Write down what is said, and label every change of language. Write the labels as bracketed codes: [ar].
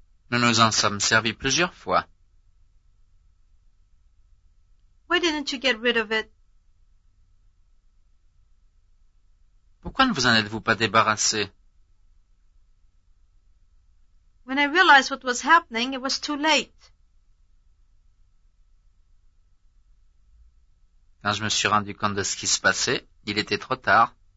[fr] Nous nous en sommes servis plusieurs fois. [en] Why didn't you get rid of it? [fr] Pourquoi ne vous en êtes-vous pas débarrassé? [en] When I realized what was happening, it was too late. [fr] Quand je me suis rendu compte de ce qui se passait, il était trop tard.